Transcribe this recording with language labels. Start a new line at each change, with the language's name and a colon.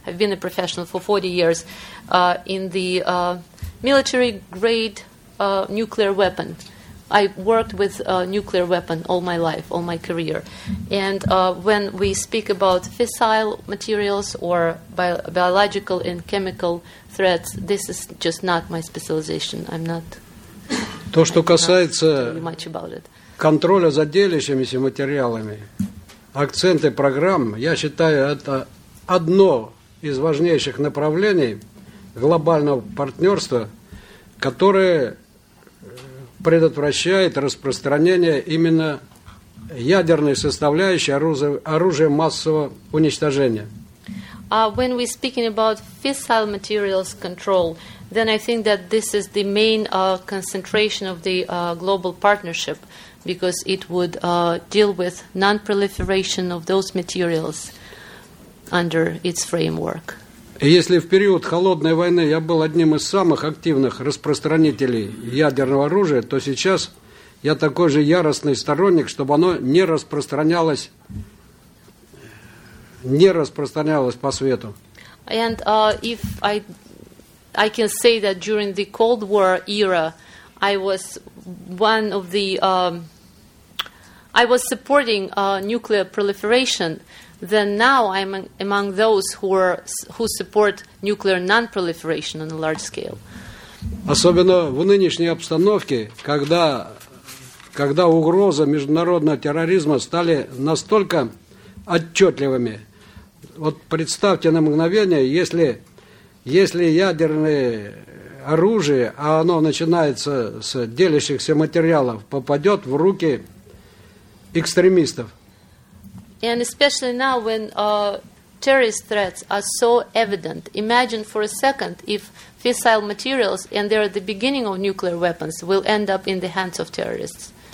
English: I've been a professional for 40 years in the military-grade nuclear weapon. I worked with nuclear weapon all my life, all my career. And when we speak about fissile materials or biological and chemical threats, this is just not my specialization. I'm not...
Russian: То, что касается контроля за делящимися материалами, акценты программ, я считаю, это одно из важнейших направлений глобального партнерства, которое предотвращает распространение именно ядерной составляющей оружия массового уничтожения.
English: When we're speaking about fissile materials control, then I think that this is the main concentration of the global partnership, because it would deal with non-proliferation of those materials under its framework.
Russian: Если в период холодной войны я был одним из самых активных распространителей ядерного оружия, то сейчас я такой же яростный сторонник, чтобы оно не распространялось по свету.
English: And if I can say that during the Cold War era, I was one of the I was supporting nuclear proliferation. Then now I'm among those who support nuclear non-proliferation on a large scale.
Russian: Особенно в нынешней обстановке, когда угроза международного терроризма стали настолько отчетливыми. Вот представьте на мгновение, если ядерное оружие, а оно начинается с делящихся материалов, попадет в руки экстремистов.
English: And especially now when terrorist threats are so evident, imagine for a second if fissile materials, and they're at the beginning of nuclear weapons, will end up in the hands of terrorists.